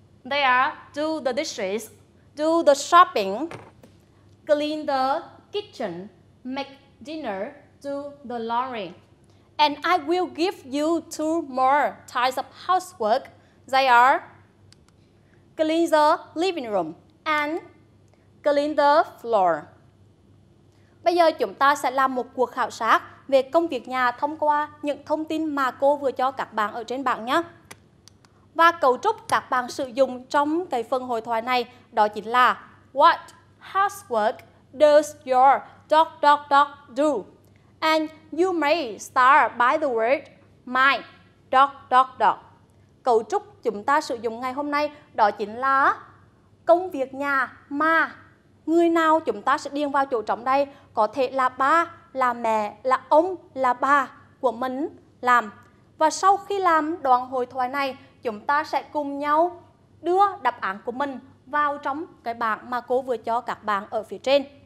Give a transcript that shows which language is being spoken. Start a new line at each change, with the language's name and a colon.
English: They are do the dishes, do the shopping, clean the kitchen, make dinner, do the laundry. And I will give you two more types of housework. They are clean the living room and clean the floor.
Vietnamese: Bây giờ chúng ta sẽ làm một cuộc khảo sát về công việc nhà thông qua những thông tin mà cô vừa cho các bạn ở trên bảng nhé. Và cấu trúc các bạn sử dụng trong cái phần hội thoại này đó chính là
English: What housework does your dot dot dot do? And you may start by the word my dot dot dot.
Vietnamese: Cấu trúc chúng ta sử dụng ngày hôm nay đó chính là công việc nhà mà người nào chúng ta sẽ điền vào chỗ trống đây, có thể là ba, là mẹ, là ông, là bà của mình làm. Và sau khi làm đoạn hội thoại này, chúng ta sẽ cùng nhau đưa đáp án của mình vào trong cái bảng mà cô vừa cho các bạn ở phía trên.